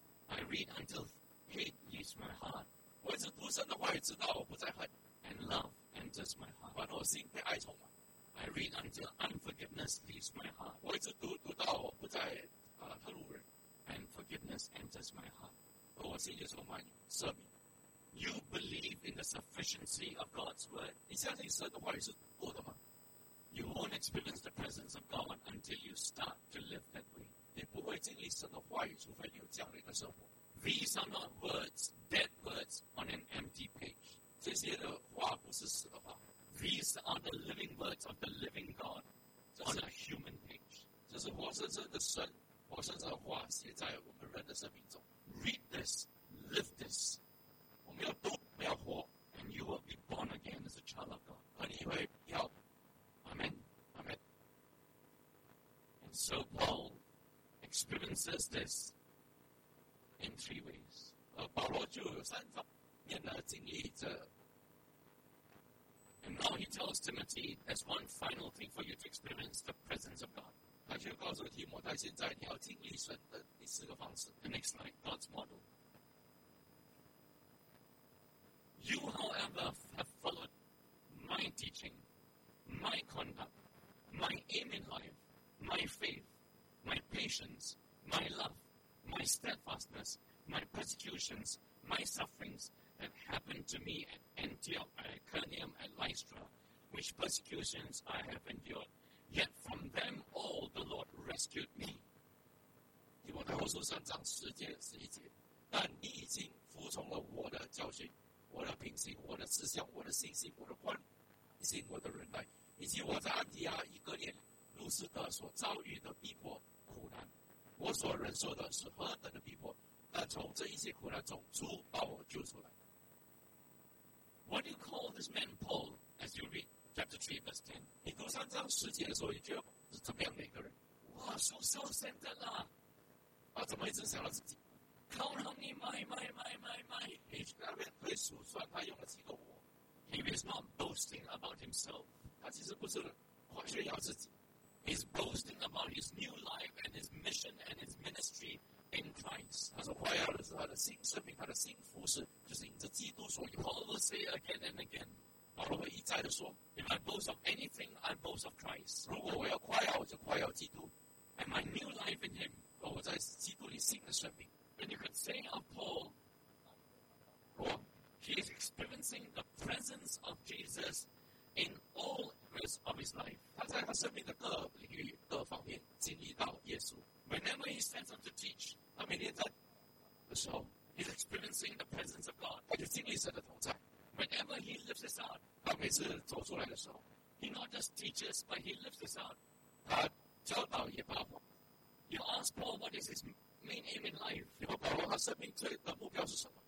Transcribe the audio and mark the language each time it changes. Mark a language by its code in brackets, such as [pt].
[en] I read until hate leaves my heart. [zh] 我一直读神的话语，直到我不再恨。 [en] And love enters my heart. [zh] 反而我心被爱充满。 [en] I read until unforgiveness leaves my heart. [zh] 我一直读到我不再恨路人。 [en] And forgiveness enters my heart. [zh] 而我心就充满赦免。 [en] You believe in the sufficiency of God's word. [zh] 你相信神的话语是够的吗？ [en] You won't experience the presence of God until you start to live that way. [zh] 你不会经历神的话语，除非你有这样的一个生活。 [en] These are not words, dead words on an empty page. [zh] 这些的话不是死的话。 [en] These are the living words of the living God on a human page. [zh] 这是活生生的神，活生生的话写在我们人的生命中。 [en] Read this, live this. [zh] 我们要读，我们要活。 [en] And you will be born again as a child of God. [zh] 而你会要 [en] Amen. Amen. And so Paul experiences this in three ways. [zh] 保罗就有三方面的经历这。 [en] And now he tells Timothy, there's one final thing for you to experience the presence of God. [zh] 他就告诉提摩太，现在你要经历神的第四个方式。 [en] The next slide, God's model. You, however, have followed my teaching, my conduct, my aim in life, my faith, my patience, my love, my steadfastness, my persecutions, my sufferings,that happened to me at Antioch, at Iconium, at Lystra, which persecutions I have endured. Yet from them all the Lord rescued me. [zh] 提摩太后书三章十节十一节，但你已经服从了我的教训，我的品行，我的志向，我的信心，我的宽心，我的忍耐，以及我在安提阿、以哥念、路斯德所遭遇的逼迫苦难，我所忍受的是何等的逼迫，但从这一些苦难中，主把我救出来。 [en] What do you call this man Paul as you read chapter 3 verse 10? [zh] 你读三章十节的时候，你觉得是怎么样的一个人？哇，说 self-centered 啦！啊，怎么一直想到自己 [en] ？Count on me, my. [zh] 你去那边可以数算他用了几个我。 [en] He is not boasting about himself. [zh] 他其实不是夸炫耀自己。 [en] He's boasting about his new life and his mission and his ministry in Christ. [zh] 他说夸耀的是他的新生命，他的新服事。就是因着基督所以 [en] Paul will say again and again [zh] 保罗会一再的说 [en] If I boast of anything I boast of Christ [zh] 如果我要夸耀我就夸耀基督 [en] And my new life in him [zh] 我在基督里新的生命 [en] And you could say of Paul He is experiencing the presence of Jesus in all areas of his life [zh] 他在他生命的各领域各方面经历到耶稣 [en] Whenever he stands up to teach [zh] 他每天在的时候 [en] He's experiencing the presence of God. [zh] 他就经历神的同在。 [en] Whenever he lifts his heart, [zh] 他每次走出来的时候 [en] ，he not just teaches, but he lifts his heart. [zh] 他教导也发火。 [en] You ask Paul what is his main aim in life? [zh] 你问保罗他生命最的目标是什么